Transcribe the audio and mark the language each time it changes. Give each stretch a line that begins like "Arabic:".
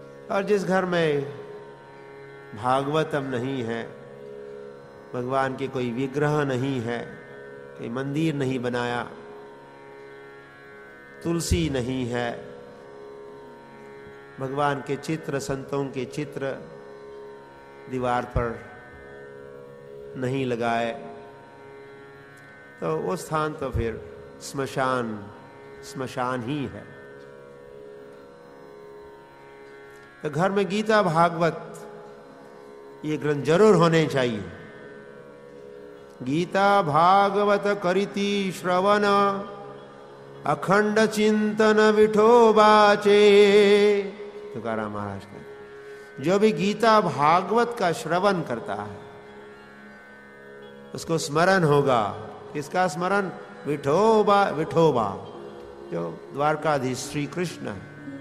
Hindi: और जिस घर में भागवतम नहीं है, भगवान के कोई विग्रह नहीं है, कोई मंदिर नहीं बनाया, तुलसी नहीं है, भगवान के चित्र, संतों के चित्र दीवार पर नहीं लगाए, तो वो स्थान तो फिर श्मशान, श्मशान ही है. तो घर में गीता भागवत ये ग्रंथ जरूर होने चाहिए.
Marathi: गीता भागवत करिति श्रवण अखंड चिंतन विठोबाचे,
Hindi: तुकाराम महाराज का. जो भी गीता भागवत का श्रवण करता है उसको स्मरण होगा. किसका स्मरण? विठोबा, विठोबा जो द्वारकाधीश श्री कृष्ण है.